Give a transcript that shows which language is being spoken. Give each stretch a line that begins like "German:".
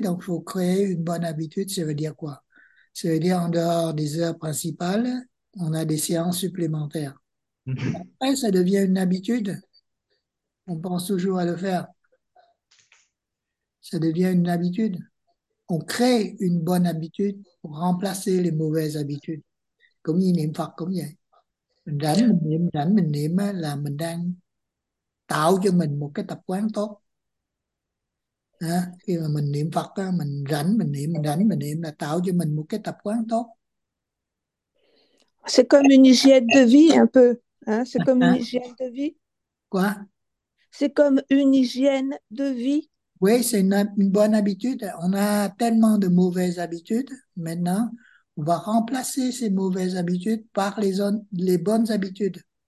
French: Donc, il faut créer une bonne habitude. Ça veut dire quoi? Ça veut dire en dehors des heures principales, on a des séances supplémentaires. Après, ça devient une habitude. On pense toujours à le faire. Ça devient une habitude. On crée une bonne habitude pour remplacer les mauvaises habitudes.
Vietnamese: Cũng như niệm Phật cũng vậy, mình rảnh mình niệm á, là mình đang tạo cho mình một cái tập quán tốt. À, khi mà mình niệm Phật á, mình rảnh mình niệm, mình rảnh mình niệm là tạo cho mình một cái tập quán tốt.
French: C'est comme une hygiène de vie un peu. Hein, c'est comme une Hein? hygiène de vie. Quoi? C'est comme une hygiène de vie. Oui, c'est une bonne habitude. On a tellement de mauvaises habitudes. Maintenant, on va remplacer ces mauvaises habitudes par les bonnes habitudes.